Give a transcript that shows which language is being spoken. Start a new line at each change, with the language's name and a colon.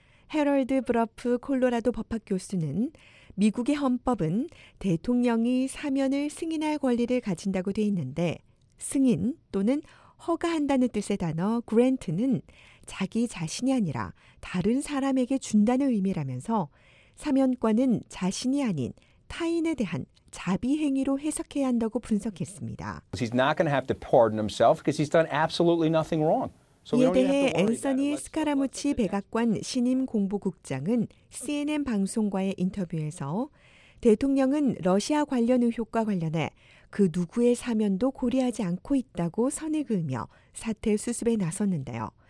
Korean: 해럴드 브러프 콜로라도 법학 교수는 미국의 헌법은 대통령이 사면을 승인할 권리를 가진다고 돼 있는데 승인 또는 허가한다는 뜻의 단어 grant는 자기 자신이 아니라 다른 사람에게 준다는 의미라면서 사면권은 자신이 아닌 타인에 대한 자비 행위로 해석해야 한다고 분석했습니다.
English: He's not going to have to pardon himself because he's done absolutely nothing wrong.
Korean: 이에 대해 앤서니 스카라무치 백악관 신임 공보국장은 CNN 방송과의 인터뷰에서 대통령은 러시아 관련 의혹과 관련해 그 누구의 사면도 고려하지 않고 있다고 선을 그으며 사태 수습에 나섰는데요.